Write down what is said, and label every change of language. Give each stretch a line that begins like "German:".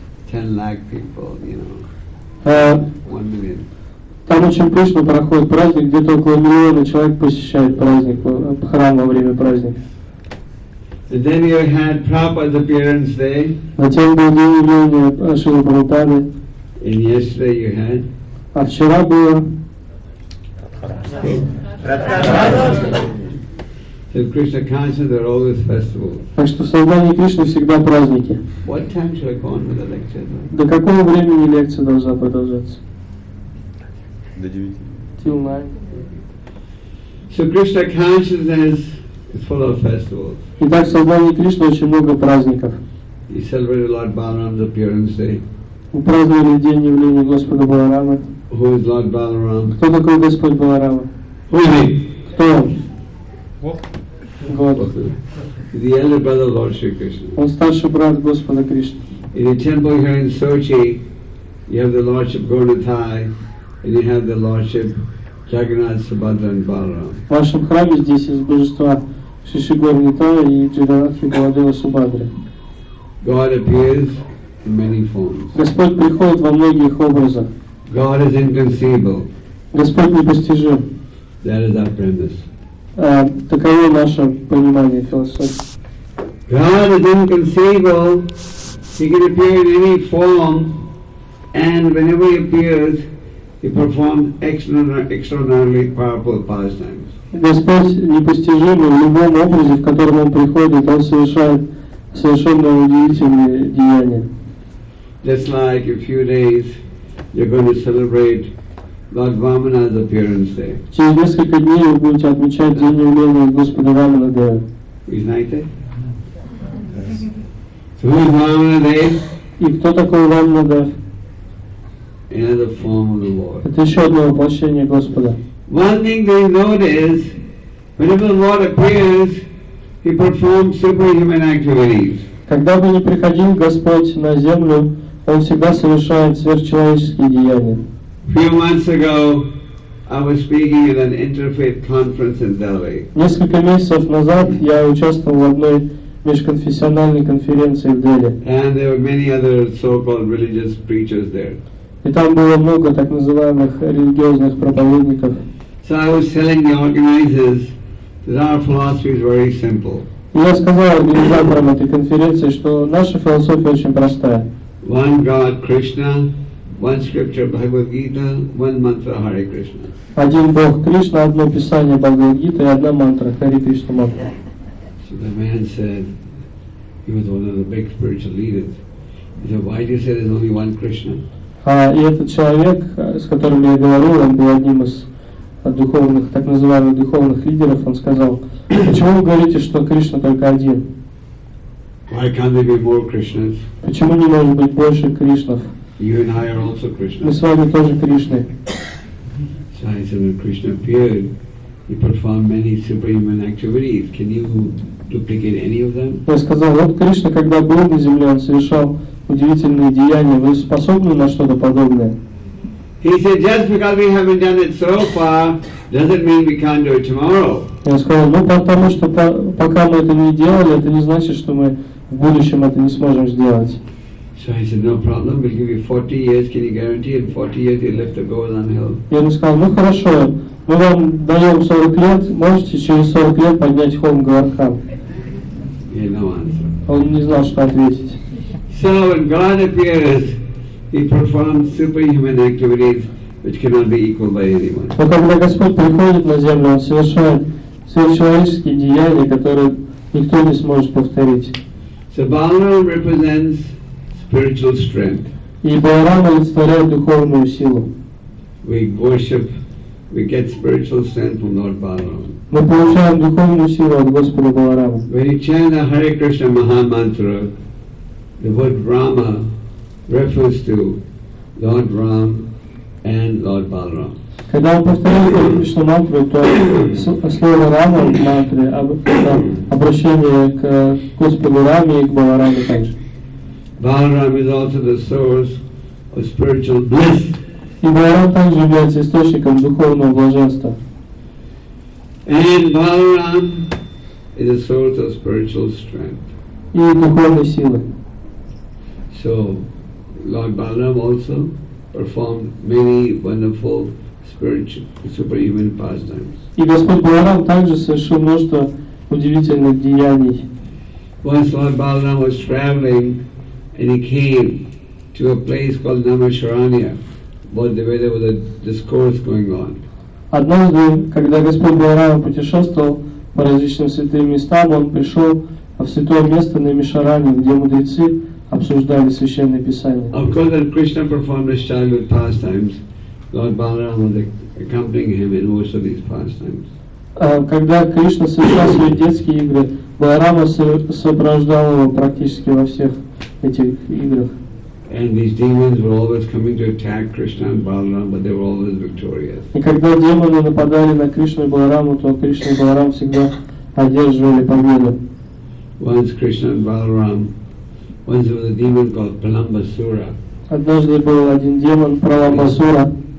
English: 10 lakh people, you know, 1 million.
Russian: Там очень пышно проходит праздник, где-то около миллиона человек посещает праздник, храм во время праздника.
English: And then you had Prabhupada's appearance day.
Russian: Затем был день явления Шрилы Прабхупады.
English: And yesterday you had.
Russian: А вчера было.
English: So Krishna consciousness are always festivals.
Russian: Так что создание Кришны всегда праздники.
English: What time should I go on with the lecture?
Russian: До какого времени лекция должна продолжаться? До 9.
English: Till 9. So Krishna consciousness is full of festivals.
Russian: Итак, создание Кришны очень много праздников.
English: He celebrated Lord Balaram's appearance day.
Russian: Упраздновали день явления Господа Баларама.
English: Who is Lord Balaram?
Russian: Кто такой Господь Баларама?
English: Who is he?
Russian: Кто он?
English: God. The elder brother Lord Shri Krishna.
Russian: Он старший брат Господа Кришны.
English: In a temple here in Sochi, you have the Lordship Gaudathai, and you have the Lordship Jagannath, Subhadra and Balaram.
Russian: В вашем храме здесь есть божества Шиши Гаудатая и Джаганатхи Баладева Субхадры.
English: God appears in many forms.
Russian: Господь приходит во многих образах.
English: God is inconceivable.
Russian: Господь непостижим.
English: That is our premise.
Russian: Таково наше понимание философии.
English: God is inconceivable. He can appear in any form, and whenever he appears, he performs extraordinarily powerful pastimes.
Russian: Господь непостижим в любом образе, в котором он приходит, он совершает совершенно удивительные деяния.
English: Just like a few days, you're going to celebrate Lord Vamana's appearance day.
Russian: Через несколько дней вы будете отмечать день явления Господа Вамана Дева.
English: Is that it? So who is Vamana Dev?
Russian: И кто такой Вамана Дев?
English: Another form of the Lord.
Russian: Это еще одно воплощение Господа.
English: One thing they note is, whenever the Lord appears, he performs superhuman activities.
Russian: Когда бы ни приходил Господь на землю, он всегда совершает сверхчеловеческие деяния.
English: Few months ago, I was speaking at an interfaith conference in Delhi.
Russian: Несколько месяцев назад я участвовал в одной межконфессиональной конференции в Дели.
English: And there were many other so-called religious preachers there.
Russian: И там было много так называемых религиозных проповедников.
English: So I was telling the organizers that our philosophy is very simple.
Russian: Я сказал организаторам этой конференции, что наша философия очень простая.
English: One God, Krishna. One scripture, Bhagavad Gita. One mantra, Hare Krishna.
Russian: Один Бог Кришна, одно писание Бхагавад Гиты и одна мантра Хари Кришна мантра.
English: So the man said, he was one of the big spiritual leaders. He said, why do you say there's only one Krishna?
Russian: И этот человек, с которым я говорил, он был одним из духовных, так называемых духовных лидеров, он сказал, почему вы говорите, что Кришна только один?
English: Why can't there be more Krishnas?
Russian: Почему не может быть больше Кришнов?
English: You and I are also Krishna.
Russian: Мы с вами тоже Кришны.
English: So I said, when Krishna appeared, he performed many superhuman activities. Can you duplicate any of them?
Russian: Я сказал, вот Кришна, когда был на земле, он совершал удивительные деяния. Вы способны на что-то подобное?
English: He said, just because we haven't done it so far, doesn't mean we can't do it tomorrow.
Russian: Я сказал, ну потому что пока мы это не делали, это не значит, что мы в будущем это не сможем сделать.
English: So I said, no problem, we'll give you 40 years, can you guarantee in 40 years you'll lift the Govardhan Hill?
Russian: Я ему сказал, ну хорошо, мы вам даем 40 лет, можете через 40 лет поднять холм Говардхан.
English: He had no answer.
Russian: Он не знал, что ответить.
English: So when God appears, he performs superhuman activities which cannot be equaled by anyone.
Russian: Но когда Господь приходит на землю, он совершает сверхчеловеческие деяния, которые никто не сможет повторить.
English: So Balaram represents spiritual strength.
Russian: И Баларама представляет духовную силу.
English: We worship, we get spiritual strength from Lord Balaram.
Russian: Мы получаем духовную силу от Господа Баларама.
English: When you chant the Hare Krishna Maha Mantra, the word Rama refers to Lord Ram and Lord Balaram.
Russian: Когда вы повторяете Кришну мантру, то слово Рама в мантре обращение к Господу Раме и к Балараме также.
English: Balaram is also the source of spiritual bliss.
Russian: И Баларам также является источником духовного блаженства.
English: And Balaram is a source of spiritual strength.
Russian: И духовной силы.
English: So Lord Balaram also performed many wonderful spiritual, superhuman pastimes.
Russian: И Господь Баларам также совершил множество удивительных деяний.
English: Once Lord Balaram was traveling and he came to a place called Namasharanya, where there was a discourse going on.
Russian: Однажды, когда Господь Баларам путешествовал по различным святым местам, он пришел в святое место на Мишаране, где мудрецы обсуждали священное писание.
English: Of course, when Krishna performed his childhood pastimes, Lord Balaram was accompanying him in most of these pastimes.
Russian: Когда Кришна совершал свои детские игры, Баларама сопровождал его практически во всех этих играх.
English: And these demons were always coming to attack Krishna and Balaram, but they were always victorious.
Russian: И когда демоны нападали на Кришну и Балараму, то Кришна и Баларам всегда одерживали победу.
English: Once Krishna and Balaram, once there was a demon called Pralambasura.
Russian: Однажды был один демон Пралабасура.